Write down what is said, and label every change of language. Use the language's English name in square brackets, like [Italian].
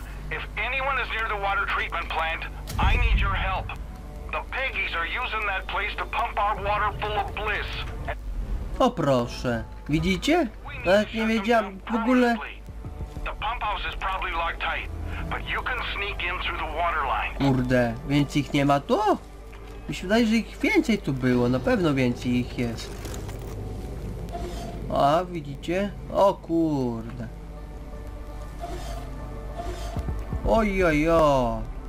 [English] If anyone is near the water treatment plant, I need your help. The piggies are using that place to pump our water full of bliss. [Polish] O proszę. Widzicie? Nawet nie wiedziałem w ogóle. [English] The pump house is probably locked tight, but you can sneak in through the water line. [Polish] Kurde, więc ich nie ma tu? Mi się wydaje, że ich więcej tu było. Na pewno więcej ich jest. A, widzicie? O kurde. Ojojo.